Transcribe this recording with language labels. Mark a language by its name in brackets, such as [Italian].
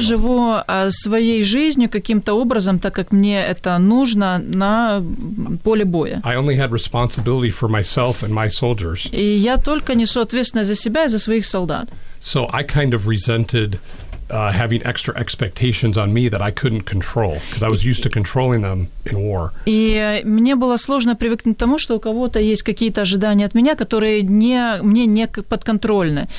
[Russian] живу своей жизнью каким-то образом, так как мне это нужно на поле боя. [English] I only had responsibility for myself and my soldiers. [Russian] И я только несу ответственность за себя и за своих солдат. [English] So I kind of resented having extra expectations on me that I couldn't control, because I was used to controlling them in war. И мне было сложно привыкнуть к тому, что у кого-то есть какие-то ожидания от меня, которые мне не подконтрольны.